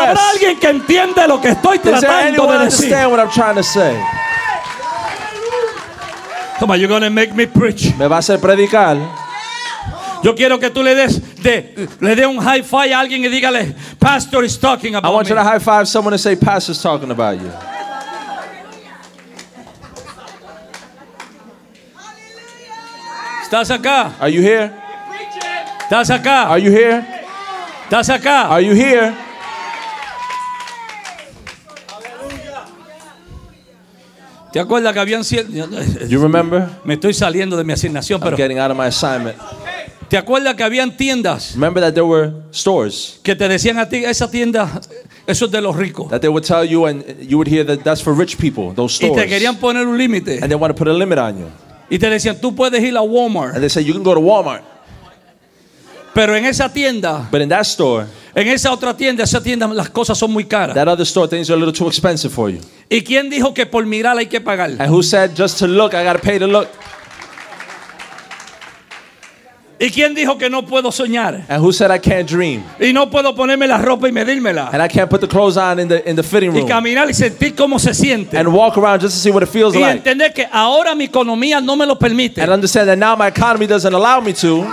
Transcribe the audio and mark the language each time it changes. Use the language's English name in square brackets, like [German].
[Spanish] ¿Habrá alguien que entiende lo que estoy tratando de decir? [English] Does anyone understand what I'm trying to say? Come on, you're going to make me preach. [Spanish] Me va a hacer predicar. Yo quiero que tú le des un high five a alguien y dígale, [English] Pastor is talking about me. I want me. You to high five someone and say, Pastor is talking about you. [Spanish] ¿Estás acá? [English] Are you here? [Spanish] ¿Estás acá? [English] Are you here? [Spanish] ¿Estás acá? [English] Are you here? [Spanish] ¿Te acuerdas que habían siete? [English] You remember? [Spanish] Me estoy saliendo de mi asignación, pero. [English] I'm getting out of my assignment. [Spanish] ¿Te acuerdas que habían tiendas? [English] Remember that there were stores. [Spanish] Que te decían a ti, esa tienda, eso es de los ricos. [English] That they would tell you and you would hear that that's for rich people, those stores. [Spanish] Y te querían poner un límite. [English] And they want to put a limit on you. [Spanish] Y te decían, tú puedes ir a Walmart. [English] And they say, you can go to Walmart. [Spanish] Pero en esa tienda. [English] But in that store. [Spanish] En esa otra tienda, esa tienda, las cosas son muy caras. [English] That other store, things are a little too expensive for you. [Spanish] ¿Y quién dijo que por mirar hay que pagar? [English] And who said, just to look, I got to pay to look. [Spanish] ¿Y quién dijo que no puedo soñar? [English] And who said I can't dream? [Spanish] Y no puedo ponerme la ropa y medírmela. [English] And I can't put the clothes on in the fitting room. [Spanish] Y caminar y sentir cómo se siente. [English] And walk around just to see what it feels [Spanish] y [English] like. [Spanish] Y entender que ahora mi economía no me lo permite. [English] And understand that now my economy doesn't allow me to.